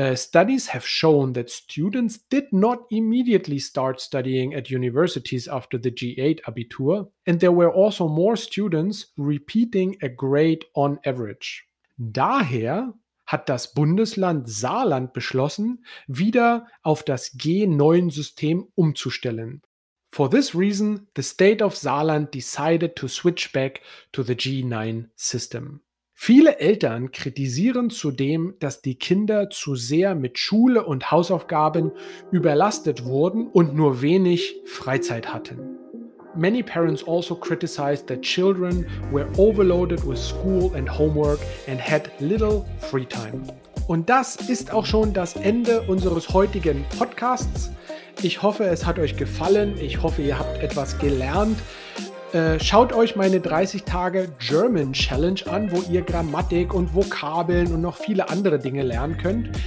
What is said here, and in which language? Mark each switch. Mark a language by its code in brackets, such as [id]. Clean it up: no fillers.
[en] Studies have shown that students did not immediately start studying at universities after the G8-Abitur and there were also more students repeating a grade on average. [de] Daher hat das Bundesland Saarland beschlossen, wieder auf das G9-System umzustellen. [en] For this reason, the state of Saarland decided to switch back to the G9 system. [de] Viele Eltern kritisieren zudem, dass die Kinder zu sehr mit Schule und Hausaufgaben überlastet wurden und nur wenig Freizeit hatten. [en] Many parents also criticized that children were overloaded with school and homework and had little free time. [de] Und das ist auch schon das Ende unseres heutigen Podcasts. Ich hoffe, es hat euch gefallen. Ich hoffe, ihr habt etwas gelernt. Schaut euch meine 30 Tage German Challenge an, wo ihr Grammatik und Vokabeln und noch viele andere Dinge lernen könnt.